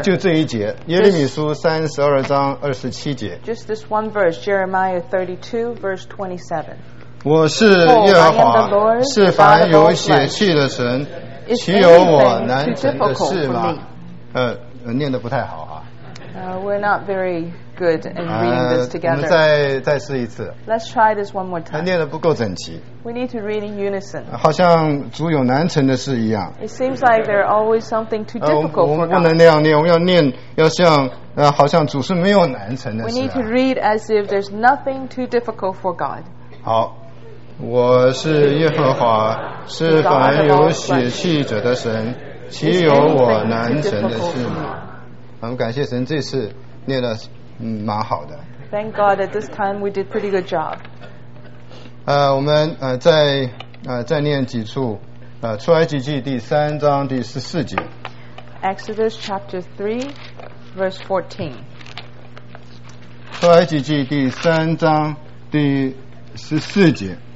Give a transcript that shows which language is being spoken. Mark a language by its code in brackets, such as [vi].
[zh] 就这一节，耶利米书三十二章二十七节。 [en] Just this one verse, Jeremiah 32, verse 27. [zh] 我是耶和华，是凡有血气的神，岂有我难成的事吗？念的不太好啊。 [en] We're not very good in reading this together. [zh] 我们再试一次。 [en] Let's try this one more time. [zh] 念的不够整齐。 [en] We need to read in unison. [zh] 好像主有难成的事一样。 [en] It seems like there are always something too difficult for God. [zh] 我们不能那样念，我们要念，要像好像主是没有难成的事。 [en] We need to read as if there's nothing too difficult for God. [zh] 好，我是耶和华，是凡有血气者的神，岂有我难成的事吗？我们感谢神，这次念的蛮好的。 [en] Thank God at this time we did pretty good job. [zh] 我们再念几处出埃及记第三章第十四节。 [en] Exodus chapter 3, verse 14. [zh] 出埃及记第三章第十四节。